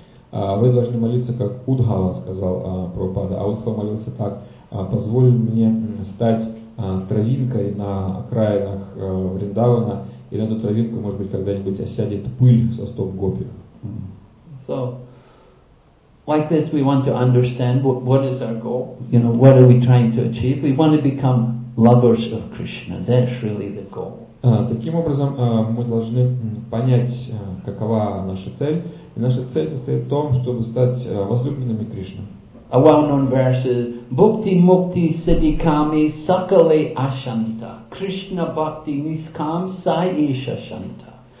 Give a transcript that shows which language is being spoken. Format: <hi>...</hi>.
<ru>Вы должны молиться, как Удхава сказал Прабхупада. А Удхава молился так: позволь мне стать травинкой на окраинах Вриндавана, и на эту травинку, может быть, когда-нибудь осядет пыль со стоп гопи.</ru> <en>So, like this, we want to understand what is our goal. You know, what are we trying to achieve? We want to become lovers of Krishna. That's really the goal.</en> <ru>Таким образом, мы должны понять, какова наша цель. И наша цель состоит в том, чтобы стать возлюбленными Кришны.</ru> <en>A well-known verse is</en> <sa>Bhukti Mukti Siddhikami Sakale Ashanta Krishna Bhakti Niskam Sai Isha Shanta.</sa>